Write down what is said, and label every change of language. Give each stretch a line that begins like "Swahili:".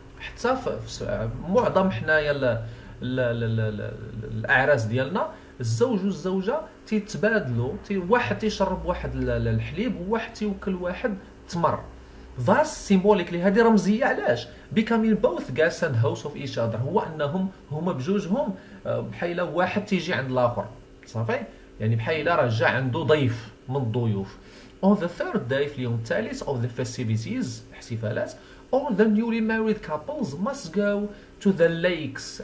Arabic: حتى في معظم حنايا الاعراس ديالنا الزوج والزوجه تيتبادلوا واحد تيشرب واحد الحليب وواحد تيوكل واحد تمر.
English: Thus symbolically
Arabic: هذه رمزيه. علاش؟
English: becoming both guests and hosts of each other.
Arabic: هو انهم هما بجوجهم بحال واحد تيجي عند الاخر صافي يعني بحال راه جا عنده ضيف من الضيوف.
English: On the third day
Arabic: في اليوم الثالث
English: of the festivities احتفالات all the newly married couples must go to the lakes.